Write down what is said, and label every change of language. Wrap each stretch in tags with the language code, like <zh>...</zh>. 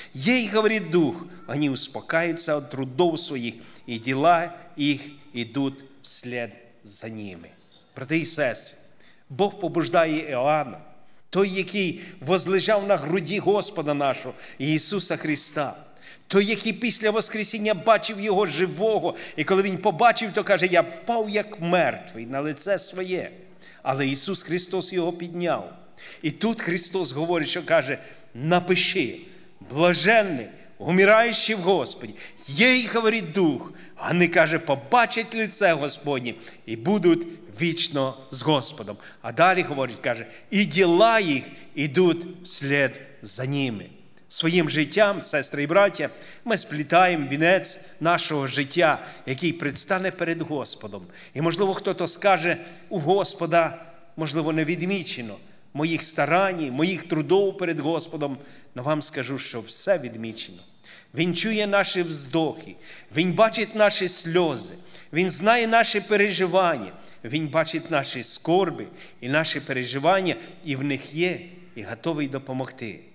<ru>Ей, говорит Дух, они успокаиваются от трудов своих, и дела их идут вслед за ними.</ru> <uk>Брати и сестри,</uk> <ru>Бог побуждает Иоанна,</ru> <uk>той, який возлежав на груди</uk> <ru>Господа нашего, Иисуса Христа,</ru> <uk>той, який після воскресіння бачив Його живого, и коли він побачив, то каже, я впав, як мертвий, на лице своє. Але Иисус Христос його підняв.</uk> <ru>И тут Христос говорит,</ru> <uk>что каже, напиши,</uk> <ru>блаженный, умирающий в Господе, ей говорит Дух,</ru> <uk>а не каже, побачить лице Господне,</uk> <ru>и будут вечно с Господом. А далее говорит, каже, и дела их идут вслед за ними. Своим життям, сестры и братья, мы сплетаем венец нашего</ru> <uk>життя, який</uk> <ru>предстане перед Господом.</ru> <uk>И, можливо, кто-то скаже, у Господа, можливо, не відмічено моїх старань, моїх трудов перед Господом,</uk> <ru>но вам скажу,</ru> <uk>що все відмічено. Він чує наші вздохи, він бачить наші сльози, він знає наші переживання, він бачить наші скорби і наші переживання, і в них є, і готовий допомогти.</uk>